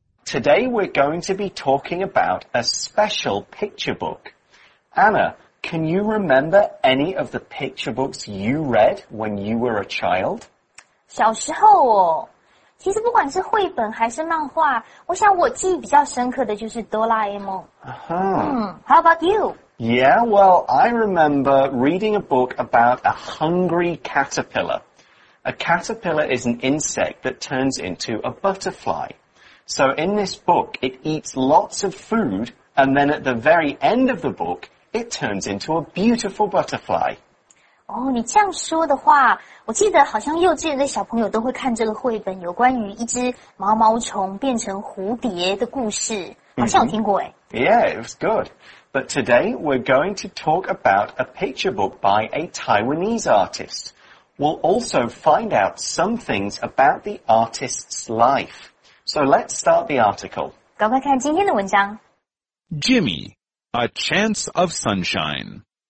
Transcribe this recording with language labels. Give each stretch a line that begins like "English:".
English: Today we're going to be talking about a special picture book. Anna, can you remember any of the picture books you read when you were a child?
Chinese: 小时候哦，其实不管是绘本还是漫画，我想我记忆比较深刻的就是哆啦 A 梦。
English: How about you? Yeah, well, I remember reading a book about a hungry caterpillar. A caterpillar is an insect that turns into a butterfly. So in this book, it eats lots of food, and then at the very end of the book, it turns into a beautiful butterfly.
Chinese: Oh, 你这样说的话，我记得好像幼稚园的小朋友都会看这个绘本，有关于一只毛毛虫变成蝴蝶的故事，好像有听过诶。
English: Yeah, it was good. But today, we're going to talk about a picture book by a Taiwanese artist. We'll also find out some things about the artist's life. So let's start the article.
Chinese: 赶快看今天的文章。
English: Jimmy, A Chance of Sunshine.